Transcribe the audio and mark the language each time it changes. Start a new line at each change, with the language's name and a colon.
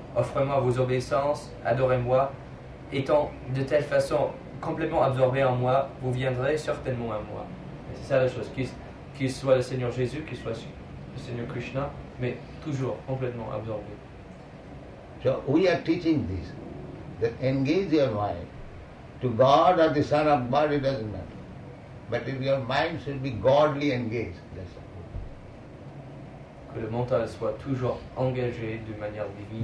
French: Offrez-moi vos obéissances. Adorez-moi. Étant de telle façon complètement absorbé en moi, vous viendrez certainement à moi. Et c'est ça la chose. Qu'il soit le Seigneur Jésus, qu'il soit le Seigneur Krishna, mais toujours complètement absorbé.
English: So we are teaching this. That engage your mind to God or the Son of God, it doesn't matter. But if your mind should be godly engaged, that's all.
French: Que le mental soit toujours engagé de manière divine.